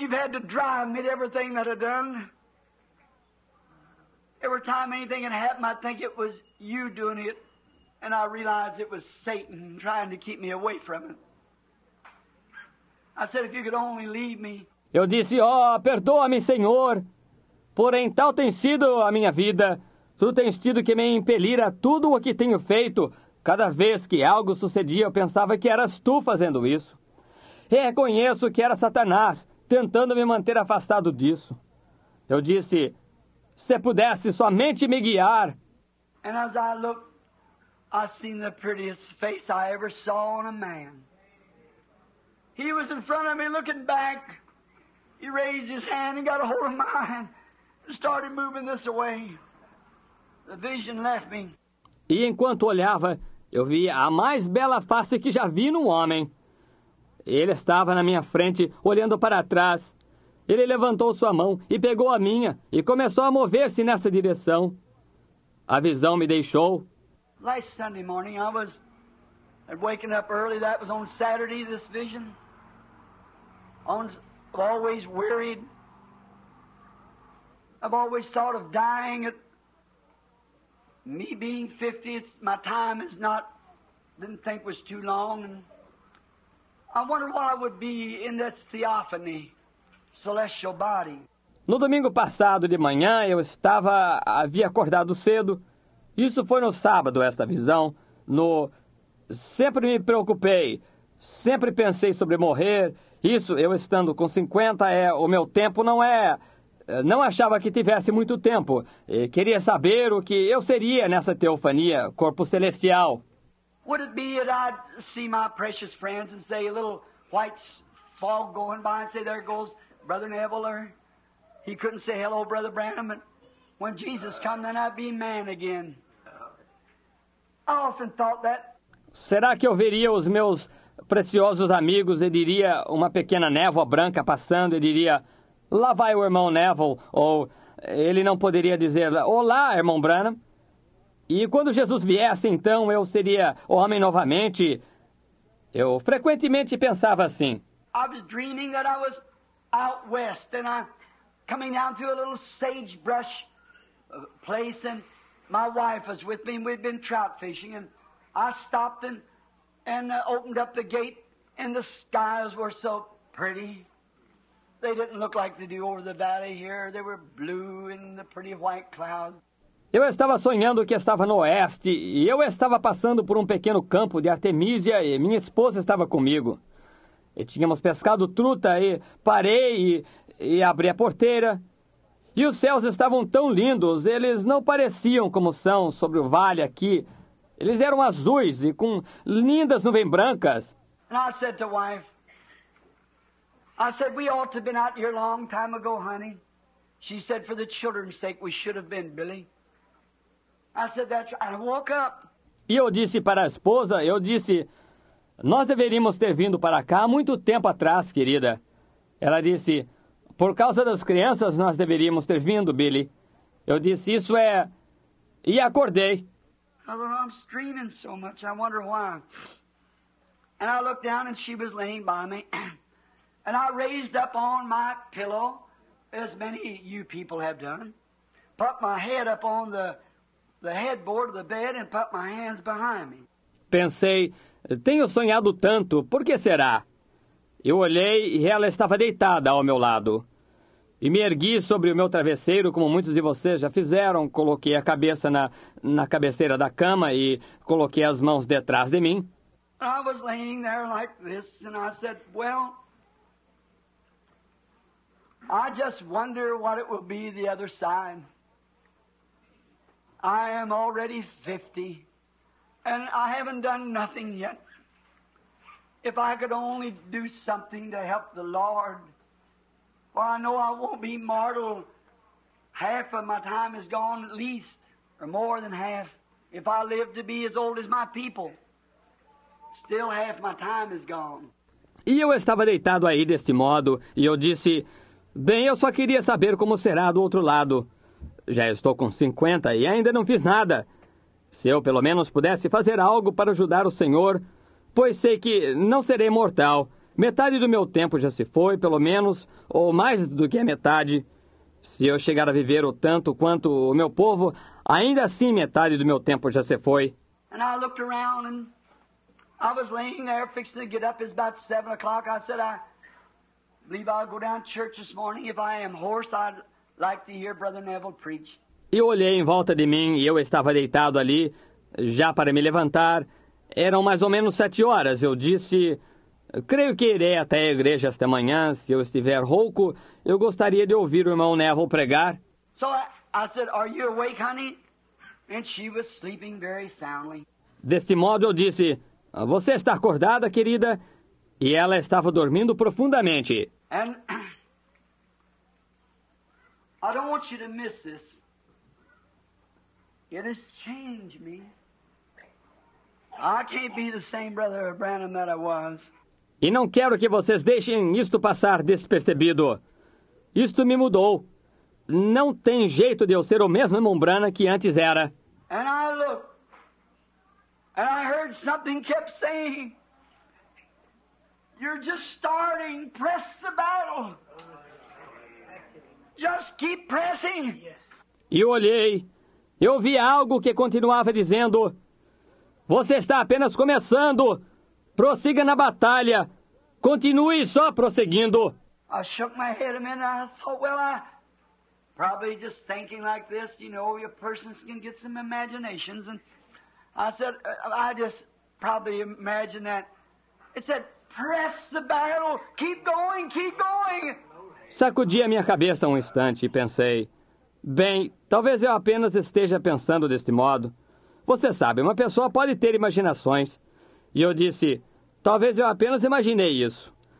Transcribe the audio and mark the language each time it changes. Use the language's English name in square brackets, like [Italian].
[English] You've had to drive me to everything that I've done. Every time anything had happened, I think it was you doing it. And I realized it was Satan trying to keep me away from it. I said, if you could only leave me. [Portuguese] Eu disse, oh, perdoa-me, Senhor. Porém, tal tem sido a minha vida. Tu tens tido que me impelir a tudo o que tenho feito. Cada vez que algo sucedia, eu pensava que eras tu fazendo isso. Reconheço que era Satanás tentando me manter afastado disso. Eu disse, se pudesse somente me guiar. [English] And as I looked, I seen the prettiest face I ever saw on a man. He was in front of me looking back. He raised his hand and got a hold of mine and started moving this way. The vision left me. [Portuguese] E enquanto olhava, eu vi a mais bela face que já vi no homem. Ele estava na minha frente, olhando para trás. Ele levantou sua mão e pegou a minha e começou a mover-se nessa direção. A visão me deixou. [English] Last Sunday morning, I was waking up early. That was on Saturday, this vision. I'm always wearied. I've always thought of dying. At me being 50, my time is not, didn't think was too long. And I wonder what I would be in this theophany, celestial body. [Portuguese] No domingo passado de manhã, eu havia acordado cedo. Isso foi no sábado, esta visão. Sempre me preocupei, sempre pensei sobre morrer. Isso, eu estando com 50, o meu tempo não é... Não achava que tivesse muito tempo. E queria saber o que eu seria nessa teofania, corpo celestial. [English] Would it be that I'd see my precious friends and say a little white fog going by and say, there goes Brother Neville, or he couldn't say hello, Brother Branham, but when Jesus come, then I'd be man again. I often thought that. [Portuguese] Será que eu veria os meus preciosos amigos e diria uma pequena névoa branca passando e diria, lá vai o irmão Neville, ou ele não poderia dizer, olá, irmão Branham. E quando Jesus viesse, então, eu seria homem novamente. Eu frequentemente pensava assim. [English] I was dreaming that I was out west, and I'm coming down through a little sagebrush place, and my wife was with me, and we'd been trout fishing, and I stopped and opened up the gate, and the skies were so pretty. They didn't look like they do over the valley here. They were blue and the pretty white clouds. [Portuguese] Eu estava sonhando que estava no oeste, e eu estava passando por um pequeno campo de artemísia, e minha esposa estava comigo. E tínhamos pescado truta, e parei, e abri a porteira. E os céus estavam tão lindos, eles não pareciam como são sobre o vale aqui. Eles eram azuis, e com lindas nuvens brancas. E eu disse à minha esposa, [English] we ought to have been out here a long time ago, honey. She said, for the children's sake, we should have been, Billy. I said that I woke up. [Portuguese] E eu disse para a esposa, eu disse, nós deveríamos ter vindo para cá há muito tempo atrás, querida. Ela disse, por causa das crianças, nós deveríamos ter vindo, Billy. Eu disse, isso é... E acordei. [English] I'm streaming so much, I wonder why. And I looked down and she was laying by me. And I raised up on my pillow, as many you people have done. Put my head up on the headboard of the bed and put my hands behind me. [Portuguese] Pensei, tenho sonhado tanto, por que será? Eu olhei e ela estava deitada ao meu lado. E me ergui sobre o meu travesseiro, como muitos de vocês já fizeram, coloquei a cabeça na cabeceira da cama e coloquei as mãos detrás de mim. [English] I was laying there like this and I said, well, I just wonder what it will be the other side. I am already 50, and I haven't done nothing yet. If I could only do something to help the Lord, for I know I won't be mortal. Half of my time is gone at least, or more than half, if I live to be as old as my people. Still half my time is gone. [Portuguese] E eu estava deitado aí deste modo, e eu disse, bem, eu só queria saber como será do outro lado. Já estou com 50 e ainda não fiz nada. Se eu pelo menos pudesse fazer algo para ajudar o Senhor, pois sei que não serei mortal. Metade do meu tempo já se foi, pelo menos, ou mais do que a metade. Se eu chegar a viver o tanto quanto o meu povo, ainda assim metade do meu tempo já se foi. [English] And I looked around and I was laying there fixing to get up. It's about 7 o'clock. I said, I believe I'll go down to church this morning. If I am hoarse, I'd like to hear Brother Neville preach. [Portuguese] Eu olhei em volta de mim e eu estava deitado ali, já para me levantar. Eram mais ou menos 7 horas. Eu disse, creio que irei até a igreja esta manhã. Se eu estiver rouco, eu gostaria de ouvir o irmão Neville pregar. [English] So I said, are you awake, honey? And she was sleeping very soundly. [Portuguese] Deste modo, eu disse, você está acordada, querida? E ela estava dormindo profundamente. [English] And I don't want you to miss this. It has changed me. I can't be the same Brother Branham that I was. [Portuguese] E não quero que vocês deixem isto passar despercebido. Isto me mudou. Não tem jeito de eu ser o mesmo irmão Branham que antes era. [English] And I looked. And I heard something kept saying, you're just starting. Press the battle. Just keep pressing. [Portuguese] E olhei. Eu vi algo que continuava dizendo, você está apenas começando. Prossiga na batalha. Continue só prosseguindo. [English] I shook my head a minute. I thought, well, I probably just thinking like this, you know, your persons can get some imaginations. And I said, I just probably imagine that. It said, press the battle. Keep going, keep going. [Portuguese] Sacudi a minha cabeça um instante e pensei, bem, talvez eu apenas esteja pensando deste modo. Você sabe, uma pessoa pode ter imaginações. E eu disse, talvez eu apenas imaginei isso.